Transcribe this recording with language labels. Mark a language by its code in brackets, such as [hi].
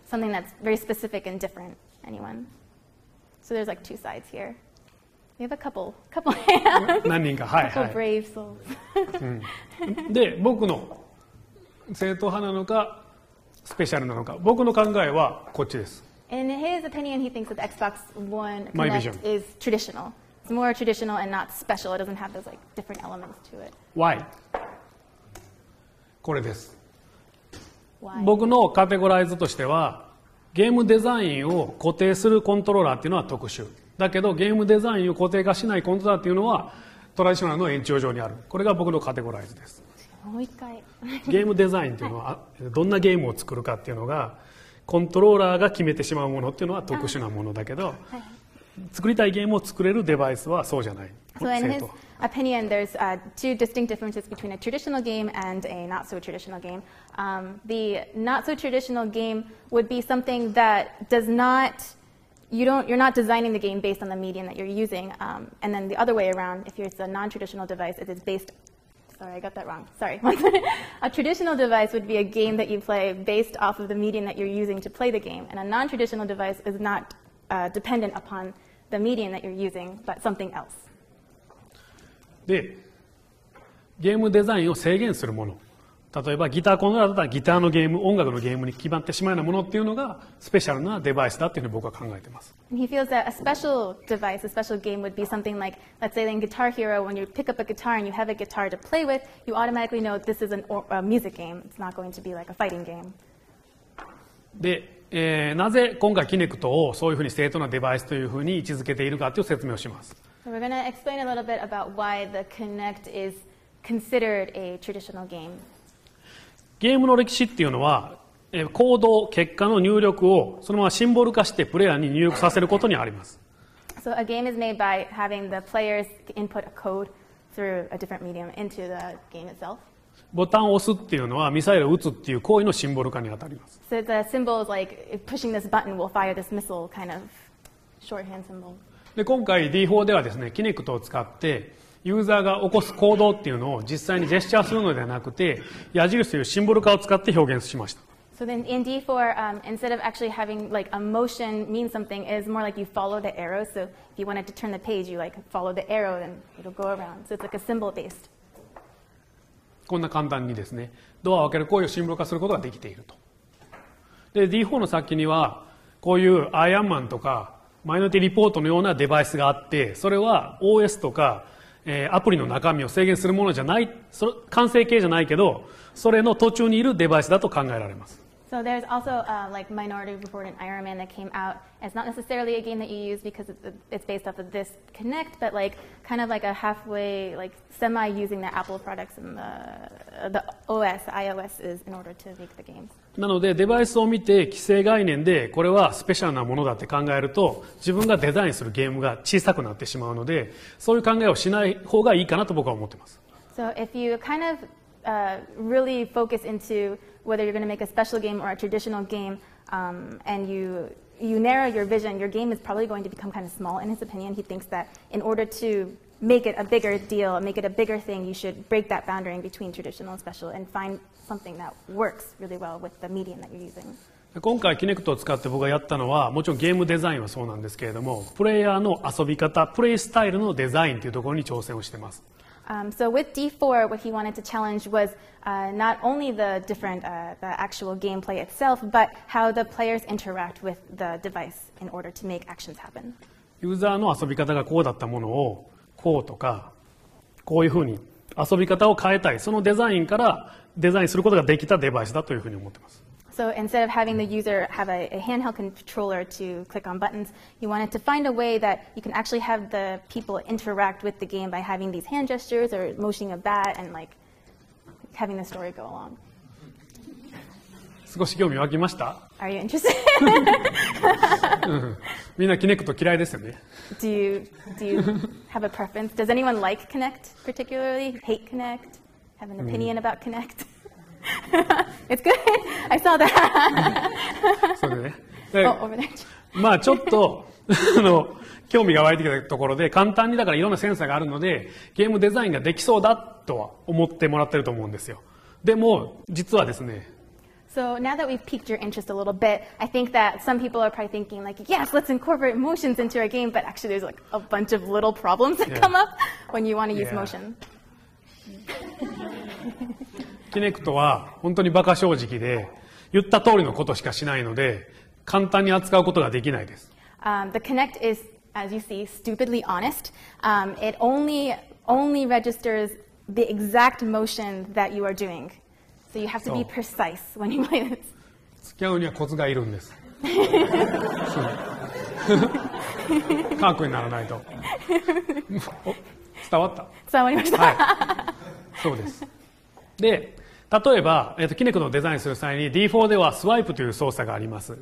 [en] Something that's very specific and different. Anyone? So there's like two sides here. We have a couple hands. [ja] 何人か、はいはい。 [en] Couple brave souls. 、 [ja] うん、で、僕の正統派なのかスペシャルなのか、僕の考えはこっちです。 [en] In his opinion, he thinks that the Xbox One Kinect is traditional. It's more traditional and not special. It doesn't have those like different elements to it. Why? [ja] これです。 [en] Why? [ja] 僕のカテゴライズとしては、ゲームデザインを固定するコントローラーっていうのは特殊。だけどゲームデザインを固定化しないコントローラーっていうのはトラディショナルの延長上にある。これが僕のカテゴライズです。もう一回。ゲームデザインっていうのは、どんなゲームを作るかっていうのが、コントローラーが決めてしまうものっていうのは特殊なものだけど、作りたいゲームを作れるデバイスはそうじゃない。 [en] So in his opinion, there's two distinct differences between a traditional game and a not so traditional game. The not so traditional game would be something that does not, you're not designing the game based on the medium that you're using. And then the other way around, if it's a non-traditional device, it is based. Sorry, I got that wrong. Sorry. A traditional device would be a game that you play based off of the medium that you're using to play the game, and a non-traditional device is not dependent upon the medium that you're using, but something else. [ja] で、ゲームデザインを制限するもの、例えばギターコントローラーだったらギターのゲーム、音楽のゲームに決まってしまうようなものっていうのがスペシャルなデバイスだっていうふうに僕は考えてます。 [en] And he feels that a special device, a special game would be something like, let's say in Guitar Hero, when you pick up a guitar and you have a guitar to play with, you automatically know this is a music game. It's not going to be like a fighting game. [ja] で、なぜ今回キネクトをそういうふうに正当なデバイスというふうに位置づけているかという説明をします。 [en] So we're going to explain a little bit about why the Kinect is considered a traditional game. [ja] ゲームの歴史っていうのは、行動、結果の入力をそのままシンボル化してプレイヤーに入力させることにあります。 [en] So a game is made by having the players input a code through a different medium into the game itself. [ja] ボタンを押すっていうのはミサイルを撃つっていう行為のシンボル化にあたります。 [en] So the symbol is like pushing this button will fire this missile kind of shorthand symbol. [ja] で今回 D4 ではですね、キネクトを使ってユーザーが起こす行動っていうのを実際にジェスチャーするのではなくて矢印というシンボル化を使って表現しました。 [en] So then in D4, instead of actually having like a motion mean something, it's more like you follow the arrow. So if you wanted to turn the page, you like follow the arrow and it'll go around. So it's like a symbol based. [ja] こんな簡単にですね、ドアを開ける行為をシンボル化することができていると。で D4 の先にはこういうアイアンマンとか。マイノリティリポートのようなデバイスがあって、それは OS とか、アプリの中身を制限するものじゃない、それ完成形じゃないけど、それの途中にいるデバイスだと考えられます。 [en] So there's also like Minority Report and Iron Man that came out. It's not necessarily a game that you use because it's based off of this Kinect, but like kind of like a halfway, like semi using the Apple products and the OS, iOS is in order to make the game. [ja] なのでデバイスを見て既成概念でこれはスペシャルなものだって考えると自分がデザインするゲームが小さくなってしまうのでそういう考えをしない方がいいかなと僕は思ってます。 [en] So if you kind of really focus into whether you're going to make a special game or a traditional game, and you you narrow your vision, your game is probably going to become kind of small. In his opinion, he thinks that in order to make it a bigger deal, make it a bigger thing, you should break that boundary between traditional and special and find something that works really well with the medium that you're using. [ja] 今回 Kinect を使って僕がやったのはもちろんゲームデザインはそうなんですけれどもプレイヤーの遊び方プレイスタイルのデザインというところに挑戦をしています、 [en] So with D4 what he wanted to challenge was、not only the different、the actual gameplay itself but how the players interact with the device in order to make actions happen [ja] ユーザーの遊び方がこうだったものをこうとかこういうふうに遊び方を変えたいそのデザインからデザインすることができたデバイスだというふうに思っています [en] So instead of having the user have a handheld controller to click on buttons, you wanted to find a way that you can actually have the people interact with the game by having these hand gestures or motioning a bat and like having the story go along. [ja] 少し興味湧きました? [en] Are you interested? [ja] みんなKinect嫌いですよね? [en] Do you have a preference? Does anyone like Kinect particularly? Hate Kinect? Have an opinion about Kinect? It's good. I saw that. [ja] そうだね。で、 [en] oh, over there. [ja] まあちょっと興味が湧いてきたところで簡単にだからいろんなセンサーがあるのでゲームデザインができそうだとは思ってもらってると思うんですよ。でも実はですね。 [en] So now that we've piqued your interest a little bit, I think that some people are probably thinking like, yes, let's incorporate motions into our game. But actually, there's like a bunch of little problems that come up when you want to use motion. [ja] Kinect は本当にバカ正直で言った通りのことしかしないので簡単に扱うことができないです。 [en] The Kinect is, as you see, stupidly honest. It only registers the exact motion that you are doing. So you have to be precise when you play this. [ja] 付き合うにはコツがいるんです。科学にならないと。伝わった。伝わりました。はい、そうです。で例えば、Kinect のデザインする際に D4 ではスワイプという操作があります。